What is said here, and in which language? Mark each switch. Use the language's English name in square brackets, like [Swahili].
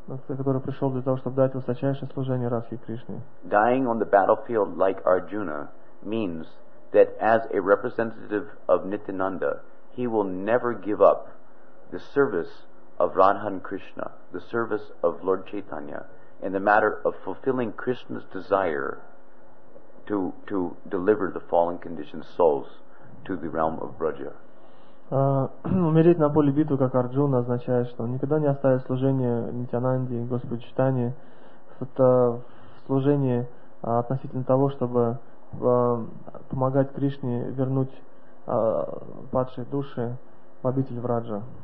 [Russian] Который пришел для того, чтобы дать высочайшее служение Радхе и Кришне. [English] Dying on the battlefield like Arjuna means that as a representative of Nityananda, he will never give up the service of Radha and Krishna, the service of Lord Chaitanya, in the matter of fulfilling Krishna's desire to deliver the fallen conditioned souls to the realm of Braja. [Russian] Умереть на поле битвы, как Арджуна, означает, что он никогда не оставит служение Нитянанде и Господу Читании. Это служение относительно того, чтобы помогать Кришне вернуть падшие души в обитель Враджа.